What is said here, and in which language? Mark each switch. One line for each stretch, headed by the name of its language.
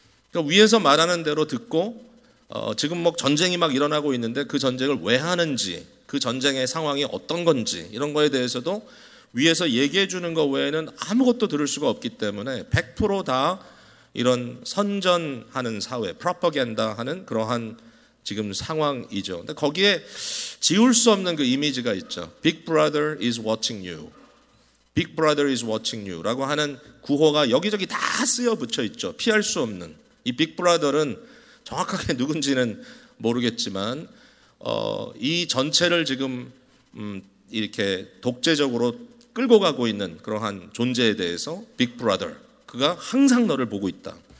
Korean: 그러니까 위에서 말하는 대로 듣고 지금 뭐 전쟁이 막 일어나고 있는데 그 전쟁을 왜 하는지, 그 전쟁의 상황이 어떤 건지 이런 거에 대해서도 위에서 얘기해 주는 것 외에는 아무것도 들을 수가 없기 때문에 100% 다 이런 선전하는 사회, 프로파간다 하는 그러한 지금 상황이죠. 근데 거기에 지울 수 없는 그 이미지가 있죠.
English: Big brother is watching you. Big brother is watching you.
Korean: 라고 하는 구호가 여기저기 다 쓰여 붙여 있죠. 피할 수 없는. 이 Big brother은 정확하게 누군지는 모르겠지만, 이 전체를 지금, 이렇게 독재적으로 끌고 가고 있는 그러한 존재에 대해서 빅 브라더, 그가 항상 너를 보고 있다.